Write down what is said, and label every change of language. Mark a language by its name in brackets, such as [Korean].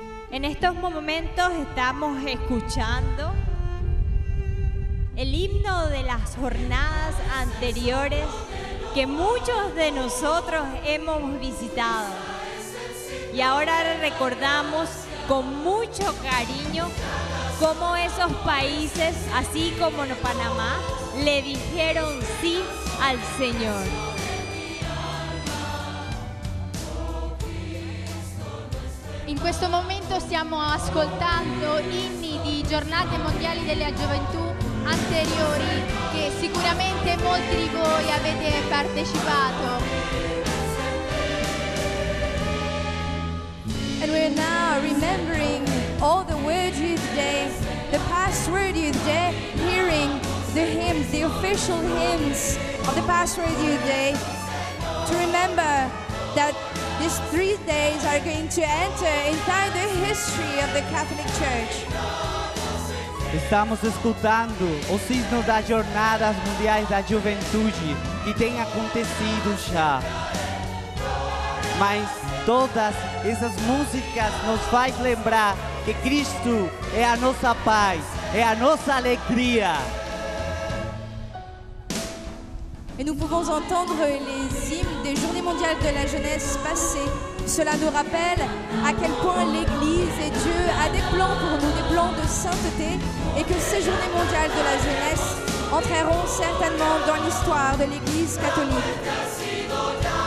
[Spanish] En estos momentos estamos escuchando el himno de las jornadas anteriores que muchos de nosotros hemos visitado. Y ahora recordamos con mucho cariño cómo esos países, así como Panamá, le dijeron sí al Señor. [Italian] In questo momento stiamo ascoltando inni di giornate mondiali della gioventù anteriori che sicuramente molti di voi avete partecipato. [English] And we're now remembering all the World Youth Day, the past World Youth Day, hearing the hymns, the official hymns of the past World Youth Day, to remember that these 3 days are going to enter inside the history of the Catholic Church. [Portuguese] Estamos escutando os sinos das jornadas mundiais da juventude que tem acontecido já. Mas todas essas músicas nos faz lembrar que Cristo é a nossa paz, é a nossa alegria. [French] Et nous pouvons entendre les hymnes des Journées mondiales de la jeunesse passées, Cela nous rappelle à quel point l'Église et Dieu a des plans pour nous, des plans de sainteté, et que ces journées mondiales de la jeunesse entreront certainement dans l'histoire de l'Église catholique.